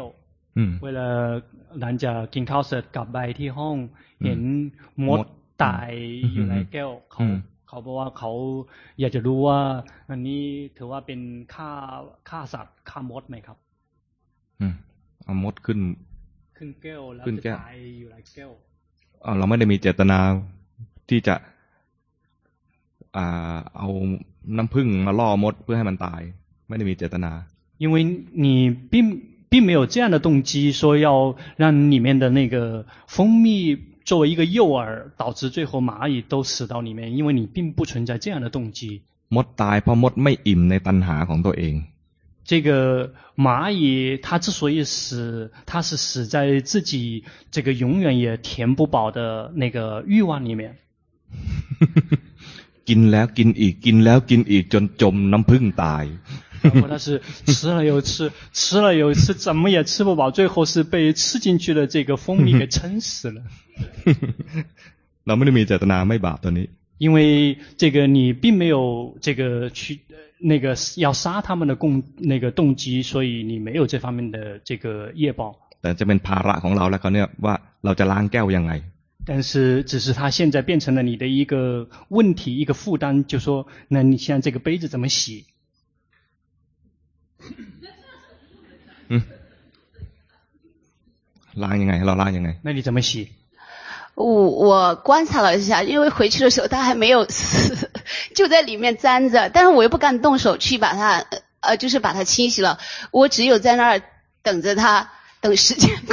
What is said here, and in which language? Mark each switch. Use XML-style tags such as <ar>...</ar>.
<th>วเวลาหลังจากกินข้าวเสร็จกลับไปที่ห้องเห็นมดตายอยู่ในแก้วเขาบอกว่าเขาอยากจะรู้ว่าอันนี้ถือว่าเป็นฆ่าสัตว์ฆ่ามดไหมครับ เอามดขึ้น แก้วแล้วจะตายอยู่ในแก้ว เราไม่ได้มีเจตนาที่จะเอาน้ำผึ้งมาล่อมดเพื่อให้มันตายไม่ได้มีเจตนา</th> <zh>因为你并没有这样的动机说要让里面的那个蜂蜜作为一个诱饵导致最后蚂蚁都死到里面因为你并不存在这样的动机</zh> <th>มดตายเพราะมดไม่อิ่มในตัณหาของตัวเอง</th> <zh>这个蚂蚁它之所以死它是死在自己这个永远也填不饱的那个欲望里面</zh> <th>กินแล้วกินอีกกินแล้วกินอีกจนจมน้ำผึ้งตาย</th> <zh>它是吃了又吃吃了又吃怎么也吃不饱最后是被吃进去的这个蜂蜜给撑死了</zh> <th>เราไม่ได้มีเจตนาไม่บาปตัวนี้</th> <zh>因为这个你并没有这个去那个要杀他们的那个动机所以你没有这方面的这个业报但这边</zh> <th>ภาระของเราแล้วเขาเนี่ยว่าเราจะล้างแก้วยังไง</th> <zh>但是只是它现在变成了你的一个问题一个负担就说那你现在这个杯子怎么洗</zh> <th>ล้างยังไงเราล้างยังไง</th> <zh>那你怎么洗我观察了一下因为回去的时候他还没有死就在里面粘着但是我又不敢动手去把它就是把它清洗了我只有在那儿等着他等时间</zh>